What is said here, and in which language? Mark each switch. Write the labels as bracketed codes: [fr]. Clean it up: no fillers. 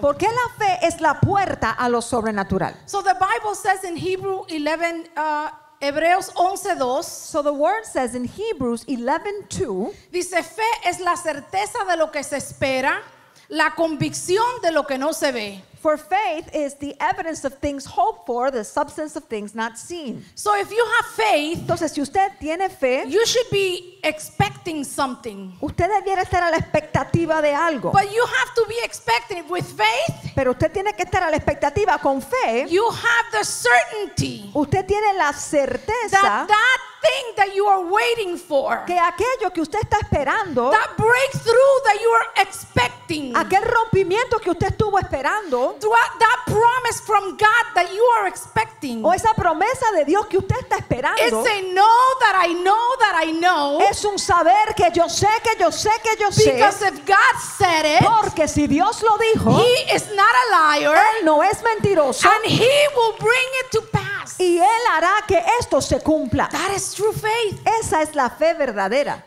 [es] Porque la fe es la puerta a lo sobrenatural. [en] So the Bible says in Hebreos 11:2. So the word says in Hebrews 11:2. [es] Dice fe es la certeza de lo que se espera, la convicción de lo que no se ve. [en] For faith is the evidence of things hoped for, the substance of things not seen. So if you have faith, [es] entonces si usted tiene fe, [en] you should be expecting something. [es] Usted debiera estar a la expectativa de algo. [en] But you have to be expecting it with faith. [es] Pero usted tiene que estar a la expectativa con fe. [en] You have the certainty. [es] Usted tiene la certeza. [en] That thing that you are waiting for. [es] Que aquello que usted está esperando. [en] That breakthrough that you are expecting. [es] Aquel rompimiento que usted estuvo esperando. [en] That promise from God that you are expecting. [es] O esa promesa de Dios que usted está esperando. [en] It's a know that I know that I know. [es] Es un saber que yo sé, que yo sé, que yo sé. [en] Because if God said it. [es] Porque si Dios lo dijo. [en] He is not a liar. [es] Él no es mentiroso. [en] And He will bring it to pass. pass. [es] Y él hará que esto se cumpla. [en] That is true faith. [es] Esa es la fe verdadera.